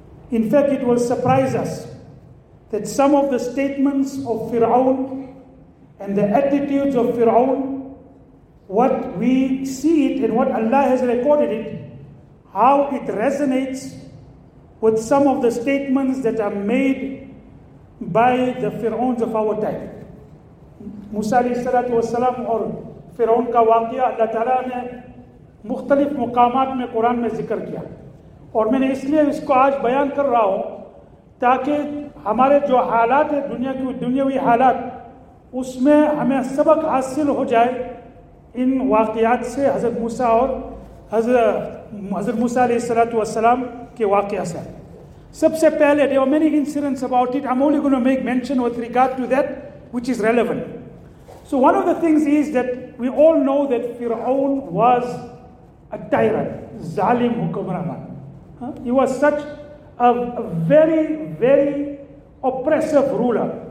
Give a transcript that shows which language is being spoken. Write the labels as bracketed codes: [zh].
[en] In fact, it will surprise us that some of the statements of Fir'aun and the attitudes of Fir'aun, what we see it and what Allah has recorded it, how it resonates with some of the statements that are made by the Fir'auns of our time. [ur] Musa alayhi salatu wasalam or Fir'aun ka waqiya Allah ta'ala ne مختلف مقامات میں قرآن میں ذکر کیا, اور میں نے اس لیے اس کو آج بیان کر رہا ہوں تاکہ ہمارے جو حالات ہیں دنیاوی حالات, اس میں ہمیں سبق حاصل ہو جائے ان واقعات سے, حضرت موسیٰ اور حضرت موسیٰ علیہ الصلوۃ والسلام کے واقعہ سے. سب سے پہلے [en] there were many incidents about it. I'm only going to make mention with regard to that which is relevant. So one of the things is that we all know that Fir'aun was a tyrant, [ur] zalim hukumraman. [en] He was such a very, very oppressive ruler.